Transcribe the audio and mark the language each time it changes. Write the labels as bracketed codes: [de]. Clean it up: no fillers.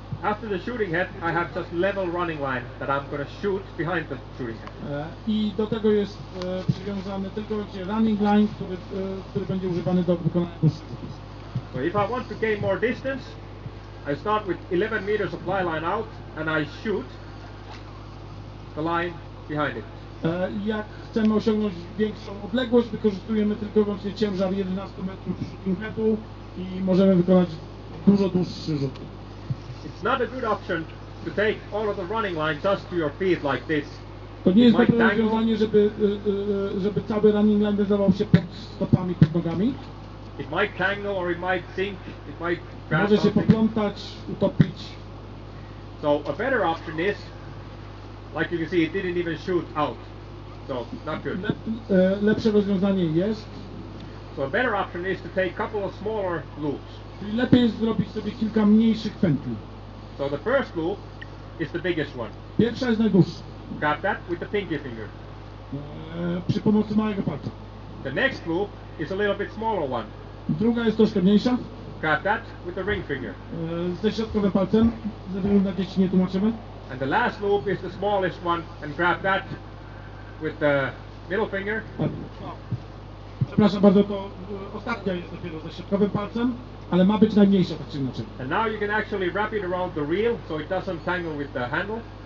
[en] After the shooting head, I have just level running line that I'm going to shoot behind the shooting head. [pl] I do tego jest przywiązany tylko running line, który będzie używany do wykonania rzutu. [en] So if I want to gain more distance, I start with 11 meters of fly line out and I shoot the line behind it. [pl] Jak chcemy osiągnąć większą odległość, wykorzystujemy tylko i wyłącznie ciężar 11 metrów shooting headu i możemy wykonać dużo dłuższy rzut. [en] It's not a good option to take all of the running line just to your feet like this. [pl] To nie jest dobre rozwiązanie, żeby cały running line wyzerwał się pod stopami, pod nogami. [en] It might tangle or it might sink, it might grab. [pl] Może się poplątać, utopić. [en] So a better option is, like you can see, it didn't even shoot out. So not good. [pl] Lepsze rozwiązanie jest. [en] So a better option is to take a couple of smaller loops. [pl] Czyli lepiej jest zrobić sobie kilka mniejszych pętli. [en] So the first loop is the biggest one. [pl] Pierwsza jest najdłuższa. [en] Grab that with the pinky finger. [pl] Przy pomocy małego palca. [en] The next loop is a little bit smaller one. [pl] Druga jest troszkę mniejsza. [en] Grab that with the ring finger. [pl] Ze środkowym palcem, ze względu na dzieci nie tłumaczymy. [en] And the last loop is the smallest one and grab that with the middle finger. [pl] Przepraszam bardzo, to ostatnia jest dopiero ze środkowym palcem, ale ma być najmniejsza, tak czy inaczej. [en] And now you can actually wrap it around the reel so it doesn't tangle with the handle.